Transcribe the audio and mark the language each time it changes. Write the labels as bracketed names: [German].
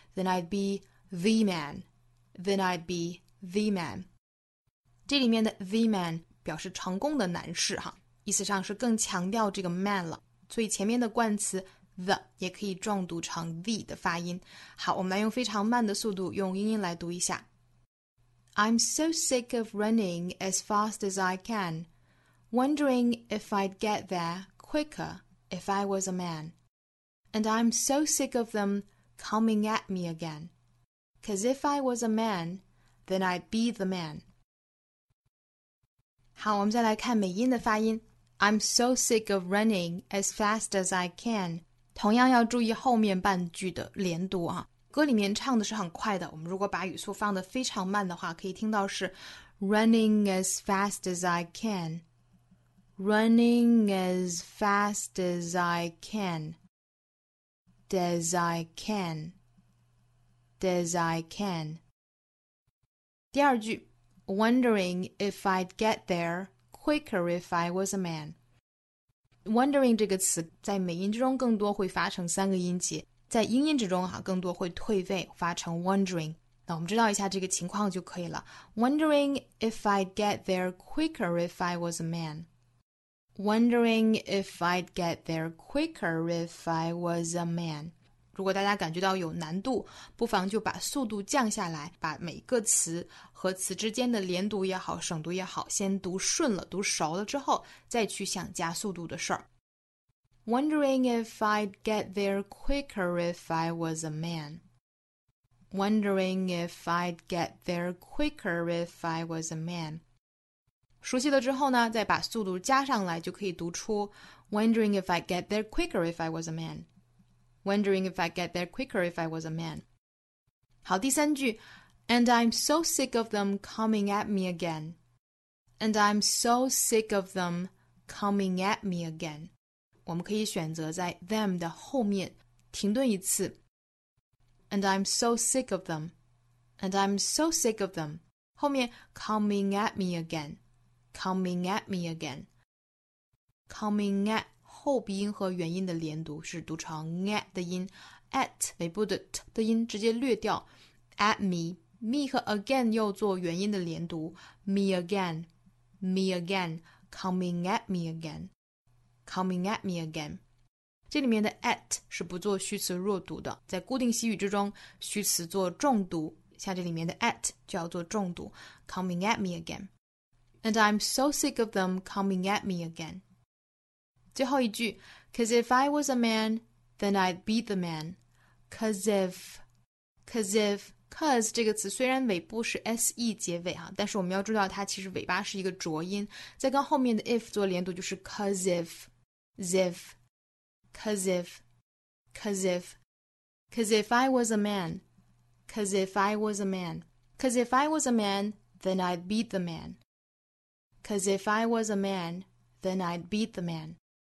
[English] Then I'd be the man. Then I'd be the man. [Chinese] 这里面的 [English] the man [Chinese] 表示成功的男士哈，意思上是更强调这个 man 了。所以前面的冠词。The 也可以重读成 the 的发音。好，我们来用非常慢的速度用英音来读一下。 [English] I'm so sick of running as fast as I can, wondering if I'd get there quicker if I was a man. And I'm so sick of them coming at me again. Cause if I was a man, then I'd be the man. [Chinese] 好，我们再来看美音的发音。 [English] I'm so sick of running as fast as I can. [Chinese] 同样要注意后面半句的连读啊，歌里面唱的是很快的，我们如果把语速放得非常慢的话，可以听到是 [English] Running as fast as I can. Running as fast as I can. As I can. As I can. [Chinese] 第二句 [English] Wondering if I'd get there quicker if I was a man. [Chinese] Wondering 这个词在美音之中更多会发成三个音节，在英音之中哈更多会退位发成 wondering。那我们知道一下这个情况就可以了。 [English] Wondering if I'd get there quicker if I was a man. Wondering if I'd get there quicker if I was a man. [Chinese] 如果大家感觉到有难度，不妨就把速度降下来，把每个词和词之间的连读也好，省读也好，先读顺了，读熟了之后，再去想加速度的事儿。 [English] Wondering if I'd get there quicker if I was a man. Wondering if I'd get there quicker if I was a man. [Chinese] 熟悉了之后呢，再把速度加上来，就可以读出 [English] Wondering if I'd get there quicker if I was a man. Wondering if I'd get there quicker if I was a man. [Chinese] 好，第三句。 [English] And I'm so sick of them coming at me again. And I'm so sick of them coming at me again. [Chinese] 我们可以选择在 them 的后面停顿一次。 [English] And I'm so sick of them. And I'm so sick of them. [Chinese] 后面 [English] coming at me again. Coming at me again. Coming at [Chinese] 后鼻音和元音的连读是读成 at 的音 at 尾部的 t 的音直接略掉 [English] at me. [Chinese] Me 和 again 又做元音的连读 [English] Me again Me again Coming at me again [Chinese] Coming at me again 这里面的 at 是不做虚词弱读的，在固定习语之中虚词做重读，像这里面的 at 就要做重读 Coming at me again [English] And I'm so sick of them coming at me again [Chinese] 最后一句 [English] Cause if I was a man Then I'd be the man [Chinese] Cause if Cause 这个词虽然尾部是 se 结尾啊，但是我们要注意到它其实尾巴是一个浊音，再跟后面的 if 做连读就是 [English] cause if, zif, cause if, cause if, cause if I was a man, cause if I was a man, cause if I was a man, then I'd be the man, cause if I was a man, then I'd be the man.